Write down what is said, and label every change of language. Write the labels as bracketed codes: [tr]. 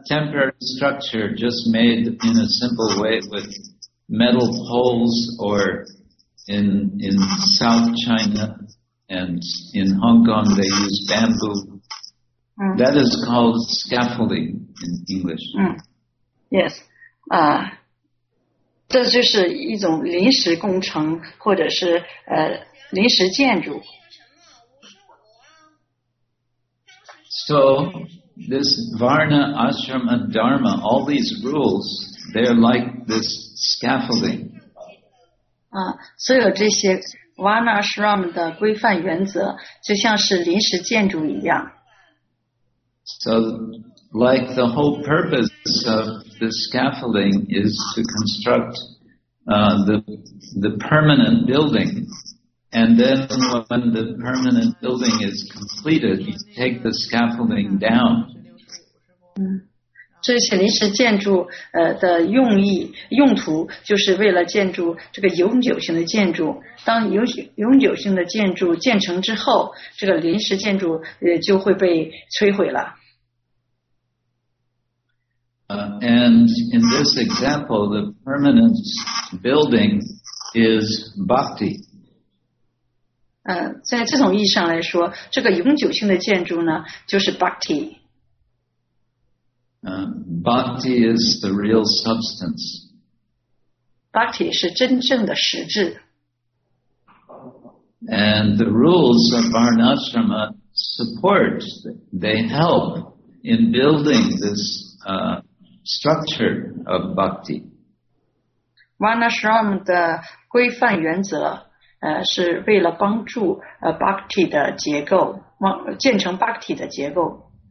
[en] temporary structure just made in a simple way with metal poles or in South China and in Hong Kong they use bamboo. That is called scaffolding in English. Yes. [zh] 这就是一种临时工程或者是临时建筑。 [en] So, this Varna Ashrama Dharma, all these rules, they're like this scaffolding. [zh] 所有这些 Varna Ashrama 的规范原则就像是临时建筑一样。 [en] So, like the whole purpose of the scaffolding is to construct the permanent building. And then when the permanent building is completed, you take the scaffolding down. [zh] 这些临时建筑的用意用途就是为了建筑这个永久性的建筑。当永久性的建筑建成之后，这个临时建筑就会被摧毁了。 [en] And in this example, the permanent building is bhakti. [zh] 在这种意义上来说，这个永久性的建筑呢，就是 bhakti。 [en] Bhakti is the real substance. [zh] Bhakti 是真正的实质。 [en] And the rules of Varnashrama support, they help in building this structure of bhakti. [zh] Varnashrama 的规范原则是为了帮助bhakti 的结构，建成bhakti 的结构。